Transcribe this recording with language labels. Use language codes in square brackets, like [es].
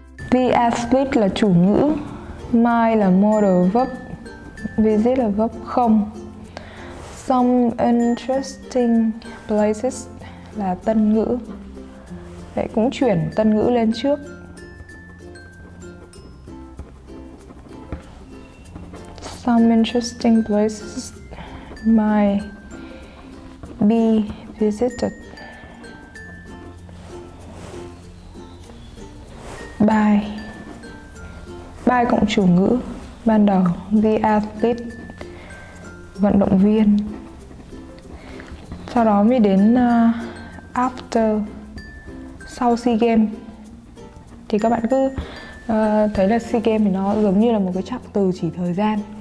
[en] The athlete [vi] là chủ ngữ, my là modal verb, visit là verb không. [en] Some interesting places [vi] là tân ngữ. Vậy cũng chuyển tân ngữ lên trước. [en] Some interesting places might be visited by. [vi] By cộng chủ ngữ ban đầu, [en] the athlete, [vi] vận động viên. Sau đó mới đến after, sau SEA Games. Thì các bạn cứ thấy là SEA Games thì nó giống như là một cái trọng từ chỉ thời gian.